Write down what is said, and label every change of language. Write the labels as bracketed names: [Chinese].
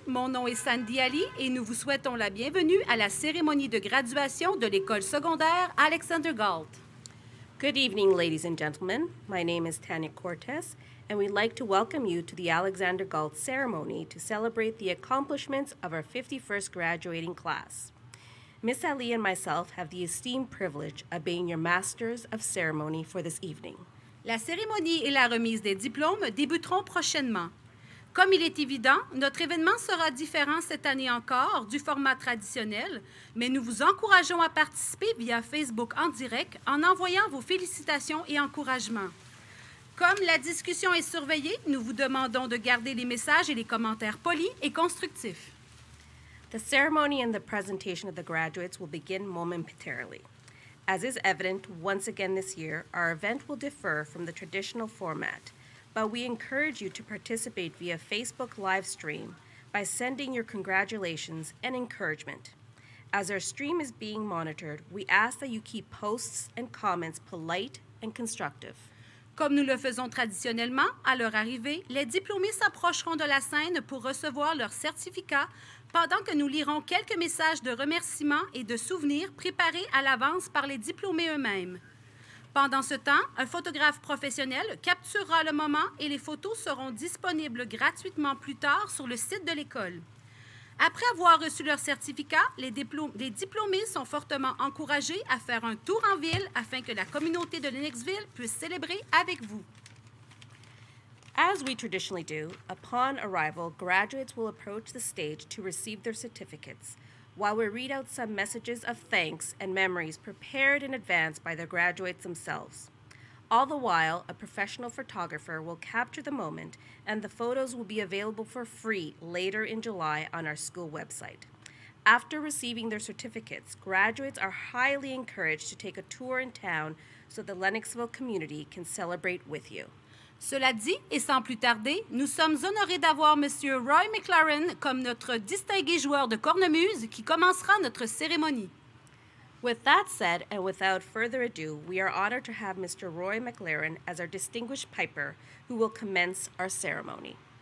[French] Mon nom est Sandy Ali et nous vous souhaitons la bienvenue à la cérémonie de graduation de l'école secondaire Alexander Galt. [English] Good evening, ladies and gentlemen. My name is Tanya Cortez, and we'd like to welcome you to the Alexander Galt ceremony to celebrate the accomplishments of our 51st graduating class. Miss Ali and myself have the esteemed privilege of being your masters of ceremony for this evening. [French] La cérémonie et la remise des diplômes débuteront prochainement. Comme il est évident, notre événement sera différent cette année encore du format traditionnel, mais nous vous encourageons à participer via Facebook en direct en envoyant vos félicitations et encouragements. Comme la discussion est surveillée, nous vous demandons de garder les messages et les commentaires polis et constructifs. [English] The ceremony and the presentation of the graduates will begin momentarily. As is evident, once again this year, our event will differ from the traditional format. But we encourage you to participate via Facebook live stream by sending your congratulations and encouragement. As our stream is being monitored, we ask that you keep posts and comments polite and constructive. [French] Comme nous le faisons traditionnellement, à leur arrivée, les diplômés s'approcheront de la scène pour recevoir leur certificat pendant que nous lirons quelques messages de remerciements et de souvenirs préparés à l'avance par les diplômés eux-mêmes. Pendant ce temps, un photographe professionnel capturera le moment et les photos seront disponibles gratuitement plus tard sur le site de l'école. Après avoir reçu leur certificat, les diplômés sont fortement encouragés à faire un tour en ville afin que la communauté de Lenoxville puisse célébrer avec vous. [English] As we traditionally do, upon arrival, graduates will approach the stage to receive their certificates while we read out some messages of thanks and memories prepared in advance by their graduates themselves. All the while, a professional photographer will capture the moment, and the photos will be available for free later in July on our school website. After receiving their certificates, graduates are highly encouraged to take a tour in town so the Lenoxville community can celebrate with you. [French] Cela dit, et sans plus tarder, nous sommes honorés d'avoir Monsieur Roy McLaren comme notre distingué joueur de cornemuse qui commencera notre cérémonie. [English] With that said, and without further ado, we are honored to have Mr. Roy McLaren as our distinguished piper who will commence our ceremony.